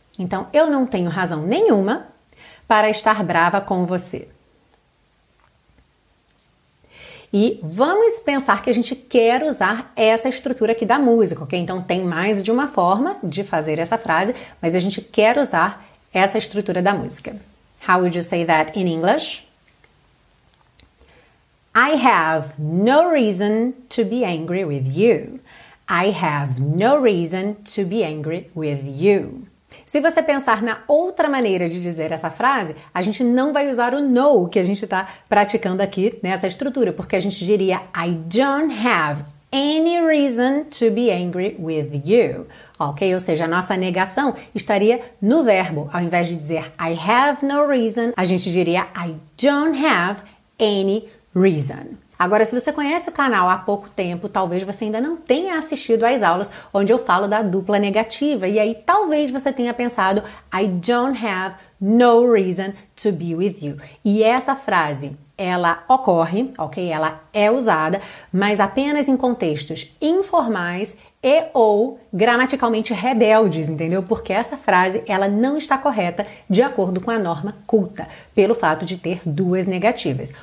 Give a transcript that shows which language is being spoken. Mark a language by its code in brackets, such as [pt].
[pt] Então, eu não tenho razão nenhuma para estar brava com você. E vamos pensar que a gente quer usar essa estrutura aqui da música, ok? Então, tem mais de uma forma de fazer essa frase, mas a gente quer usar essa estrutura da música. [en] How would you say that in English? I have no reason to be angry with you. I have no reason to be angry with you. [pt] Se você pensar na outra maneira de dizer essa frase, a gente não vai usar o no que a gente está praticando aqui nessa estrutura, porque a gente diria [en] I don't have any reason to be angry with you. [pt] Ok? Ou seja, a nossa negação estaria no verbo. Ao invés de dizer [en] I have no reason, [pt] a gente diria [en] I don't have any reason. [pt] Agora, se você conhece o canal há pouco tempo, talvez você ainda não tenha assistido às aulas onde eu falo da dupla negativa. E aí, talvez você tenha pensado, [en] I don't have no reason to be with you. [pt] E essa frase, ela ocorre, ok? Ela é usada, mas apenas em contextos informais e ou gramaticalmente rebeldes, entendeu? Porque essa frase ela não está correta de acordo com a norma culta, pelo fato de ter duas negativas.